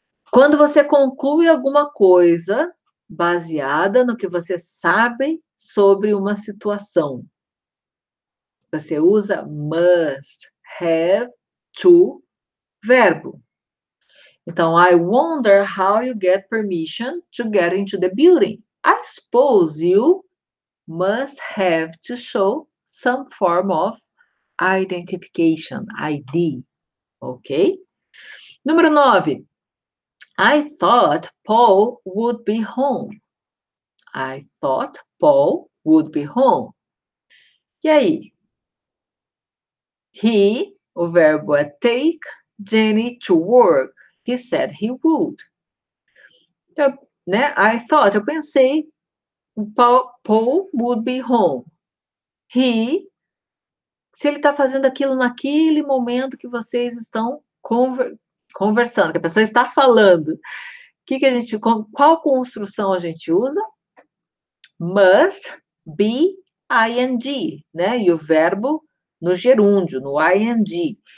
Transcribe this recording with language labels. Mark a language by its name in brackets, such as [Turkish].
[Portuguese] Quando você conclui alguma coisa baseada no que você sabe sobre uma situação, você usa must, have, to, verbo. Então, [English] I wonder how you get permission to get into the building. I suppose you must have to show some form of identification, ID, ok? [Portuguese] Número 9. [English] I thought Paul would be home. I thought Paul would be home. [Portuguese] E aí? [English] He, [Portuguese] o verbo é [English] take Jenny to work. He said he would. [Portuguese] Então, né? [English] I thought, [Portuguese] eu pensei, [English] Paul would be home. He. [Portuguese] Se ele está fazendo aquilo naquele momento que vocês estão conversando, que a pessoa está falando, qual construção a gente usa? [English] Must be ing, [Portuguese] né? E o verbo no gerúndio, no ing.